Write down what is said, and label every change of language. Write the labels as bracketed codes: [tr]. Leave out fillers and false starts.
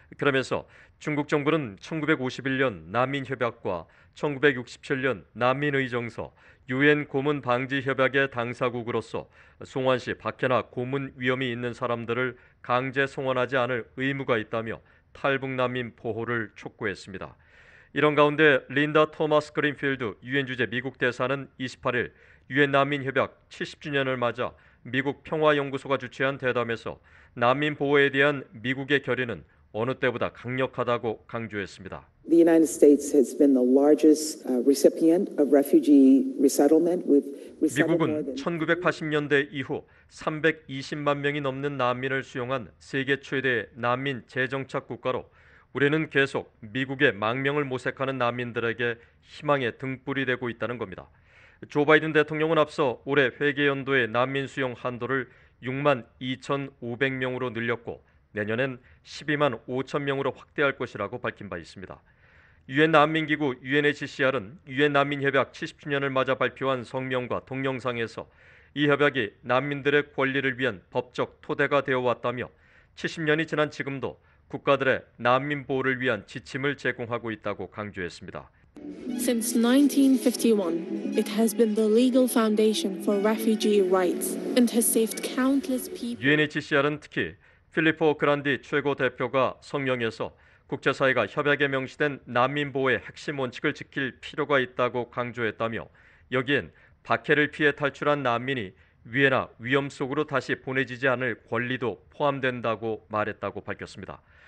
[ko] 그러면서 중국 정부는 1951년 난민협약과 1967년 난민의정서, 유엔 고문 방지 협약의 당사국으로서 송환 시 박해나 고문 위험이 있는 사람들을 강제 송환하지 않을 의무가 있다며 탈북 난민 보호를 촉구했습니다. 이런 가운데 린다 토마스 그린필드 유엔 주재 미국 대사는 28일 유엔 난민협약 70주년을 맞아 미국 평화연구소가 주최한 대담에서 난민 보호에 대한 미국의 결의는 어느 때보다 강력하다고 강조했습니다. [en] The United States has been the largest recipient of refugee resettlement. [ko] 미국은 1980년대 이후 320만 명이 넘는 난민을 수용한 세계 최대의 난민 재정착 국가로 우리는 계속 미국의 망명을 모색하는 난민들에게 희망의 등불이 되고 있다는 겁니다. 조 바이든 대통령은 앞서 올해 회계연도의 난민 수용 한도를 6만 2,500명으로 늘렸고 내년엔 12만 5,000명으로 확대할 것이라고 밝힌 바 있습니다. 유엔 난민기구 UNHCR은 유엔 난민협약 70주년을 맞아 발표한 성명과 동영상에서 이 협약이 난민들의 권리를 위한 법적 토대가 되어왔다며 70년이 지난 지금도 국가들의 난민 보호를 위한 지침을 제공하고 있다고 강조했습니다. [en] Since 1951, it has been the legal foundation for refugee rights and has saved countless people. [ko] UNHCR은 특히 필리포 그란디 최고 대표가 성명에서 국제사회가 협약에 명시된 난민 보호의 핵심 원칙을 지킬 필요가 있다고 강조했다며 여기엔 박해를 피해 탈출한 난민이 위해나 위험 속으로 다시 보내지지 않을 권리도 포함된다고 말했다고 밝혔습니다.